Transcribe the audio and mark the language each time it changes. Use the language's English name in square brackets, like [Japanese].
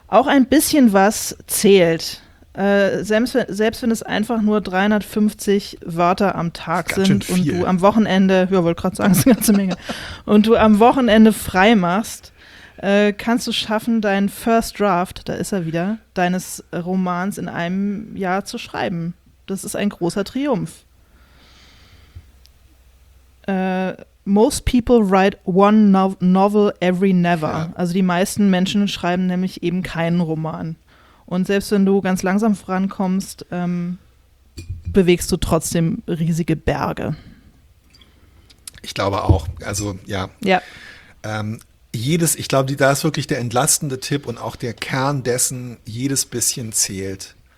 [German] Auch ein bisschen was zählt. Selbst wenn es einfach nur 350 Wörter am Tag sind und du am Wochenende, ja, wollte gerade sagen, ist eine ganze Menge, und du am Wochenende frei machst, kannst du schaffen, deinen First Draft, da ist er wieder, deines Romans in einem Jahr zu schreiben. Das ist ein großer Triumph. [English] Most people write one novel every never. [German] Ja. Also die meisten Menschen schreiben nämlich eben keinen Roman. Und selbst wenn du ganz langsam vorankommst, bewegst du trotzdem riesige Berge. Ich glaube auch. Also ja. Ja. Ich glaube, da ist wirklich der entlastende Tipp und auch der Kern dessen, jedes bisschen zählt.